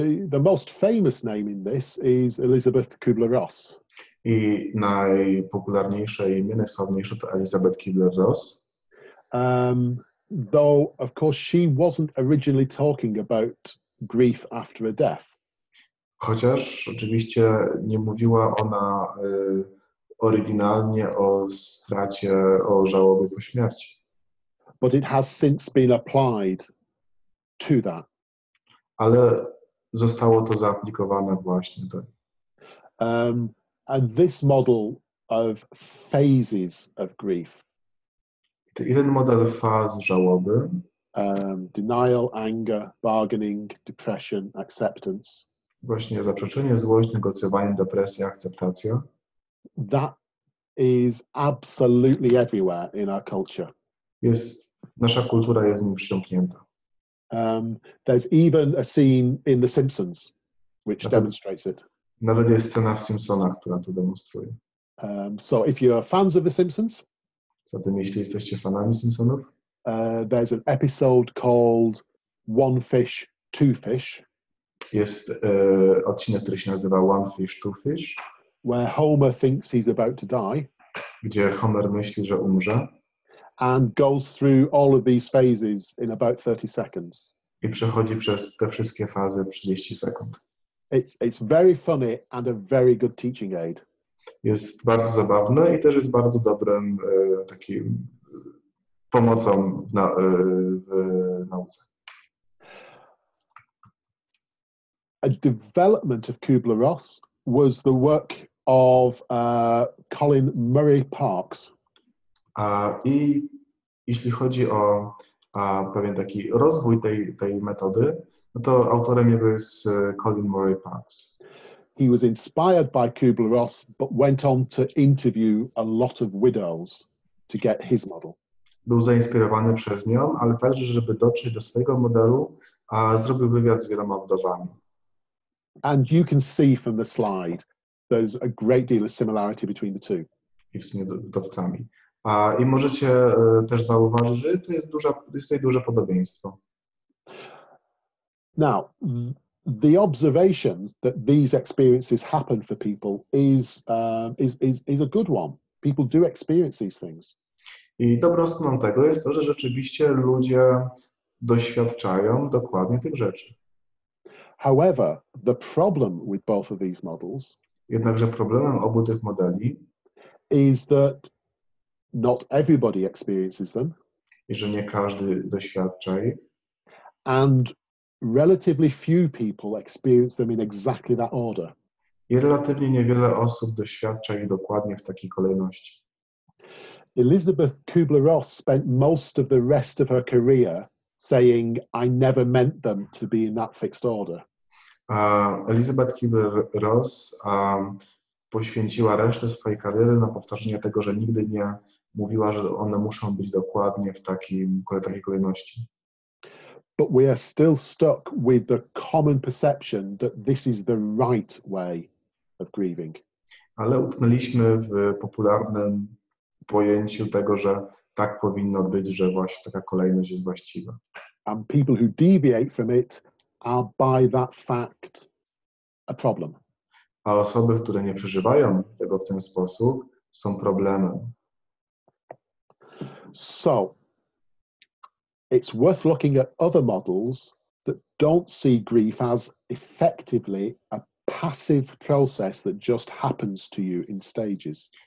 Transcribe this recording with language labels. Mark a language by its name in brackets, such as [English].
[English] The most famous name in this is Elizabeth Kubler-Ross. [Polish] I najpopularniejsze imię, najsławniejsze to Elizabeth Kubler-Ross. [English] Though, of course, she wasn't originally talking about grief after a death. [Polish] Chociaż oczywiście nie mówiła ona oryginalnie o stracie, o żałobie po śmierci. [English] But it has since been applied to that. [Polish] Ale zostało to zaaplikowane właśnie do. [English] And this model of phases of grief. [Polish] I ten model faz żałoby. [English] Denial, anger, bargaining, depression, acceptance. [Polish] Właśnie zaprzeczenie, złość, negocjowanie, depresja, akceptacja. [English] That is absolutely everywhere in our culture. [Polish] Nasza kultura jest nim przesiąknięta. [English] There's even a scene in The Simpsons, which demonstrates it. [Polish] Nawet jest scena w Simpsonach, która to demonstruje. [English] So if you're fans of The Simpsons, [Polish] zatem jeśli jesteście fanami Simpsonów, [English] there's an episode called One Fish, Two Fish. [Polish] Jest odcinek, który się nazywa One Fish, Two Fish. [English] Where Homer thinks he's about to die. [Polish] Gdzie Homer myśli, że umrze. [English] And goes through all of these phases in about 30 seconds. [Polish] I przechodzi przez te wszystkie fazy 30 sekund. [English] It's very funny and a very good teaching aid. [Polish] Jest bardzo zabawne i też jest bardzo dobrym takim pomocą w nauce. [English] A development of Kubler-Ross was the work of Colin Murray Parks. [Polish] I jeśli chodzi o pewien taki rozwój tej metody, no to autorem jego jest Colin Murray Parks. [English] He was inspired by Kubler-Ross, but went on to interview a lot of widows to get his model. [Polish] Był zainspirowany przez nią, ale także, żeby dotrzeć do swojego modelu, zrobił wywiad z wieloma wdowami. [English] And you can see from the slide, there's a great deal of similarity between the two. [Polish] I w sumie wdowcami. I możecie też zauważyć, że to jest tutaj duże podobieństwo. [English] Now, the observation that these experiences happen for people is a good one. People do experience these things. [Polish] I dobrą stroną tego jest to, że rzeczywiście ludzie doświadczają dokładnie tych rzeczy. [English] However, the problem with both of these models, [Polish] jednakże problemem obu tych modeli, [English] is that not everybody experiences them. [Polish] I że nie każdy doświadcza ich. [English] And relatively few people experience them in exactly that order. [Polish] I relatywnie niewiele osób doświadcza ich dokładnie w takiej kolejności. [English] Elizabeth Kubler-Ross spent most of the rest of her career saying, I never meant them to be in that fixed order. [Polish] Elizabeth Kubler-Ross poświęciła resztę swojej kariery na powtarzanie tego, że nigdy nie mówiła, że one muszą być dokładnie w takiej kolejności. [English] But we are still stuck with the common perception that this is the right way of grieving. [Polish] Ale utknęliśmy w popularnym pojęciu tego, że tak powinno być, że właśnie taka kolejność jest właściwa. [English] And people who deviate from it are by that fact a problem. [Polish] A osoby, które nie przeżywają tego w ten sposób, są problemem. [English] So, it's worth looking at other models that don't see grief as effectively a passive process that just happens to you in stages.